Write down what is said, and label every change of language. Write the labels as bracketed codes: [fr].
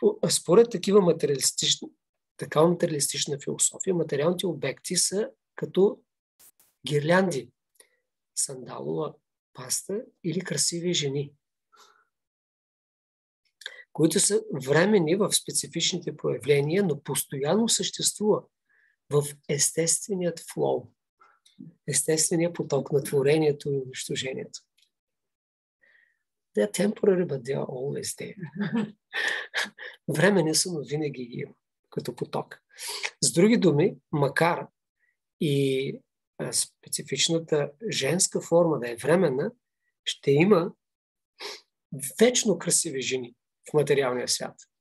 [bg] Според такива материалистични, такава материалистична философия, материалните обекти са като гирлянди, сандалова паста или красиви жени, които са временни в специфичните проявления, но постоянно съществува в естественият флоу, естественият поток на творението и унищожението. [en] They are temporary, but they are always there. [bg] Времени са, но винаги ги има като поток. С други думи, макар и специфичната женска форма да е временна, ще има вечно красиви жени в материалния свят.